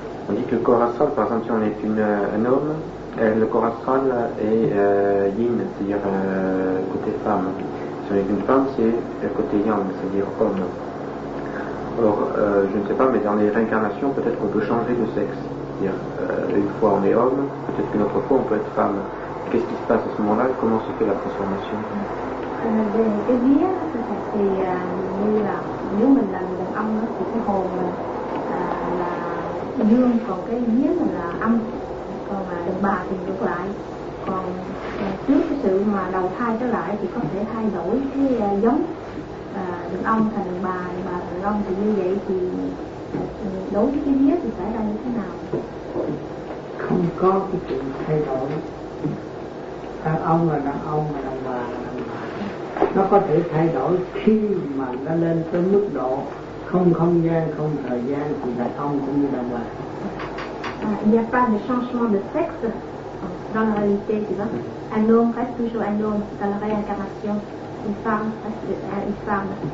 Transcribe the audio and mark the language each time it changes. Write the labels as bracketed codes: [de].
[fr] On dit que le corps astral, par exemple, si on est un homme, le corps astral est yin, c'est-à-dire côté femme. Si on est une femme, c'est côté yang, c'est-à-dire homme. Alors, je ne sais pas, mais dans les réincarnations, peut-être qu'on peut changer de sexe. C'est-à-dire, une fois on est homme, peut-être qu'une autre fois on peut être femme. Qu'est-ce qui se passe à ce moment-là? Comment se fait la transformation? [vi] Cái vía thực hiện thì như là nếu mình là người đàn ông đó, thì cái hồn là dương, còn cái vía mình là âm, còn là đàn bà thì ngược lại. Còn trước cái sự mà đầu thai trở lại thì có thể thay đổi cái giống đàn ông thành đàn bà, đàn bà thành đàn ông, thì như vậy thì đối với cái vía thì xảy ra như thế nào? Không có cái chuyện thay đổi. Đàn ông là đàn ông, mà đàn bà là đàn bà. Nó có thể thay đổi khi mà nó lên tới mức độ không không gian, không thời gian, thì đàn ông cũng như đàn bà. [fr] Il n'y a pas de changement de sexe dans la réalité, tu vois. Un homme reste toujours un homme dans la réincarnation. Une femme reste une femme.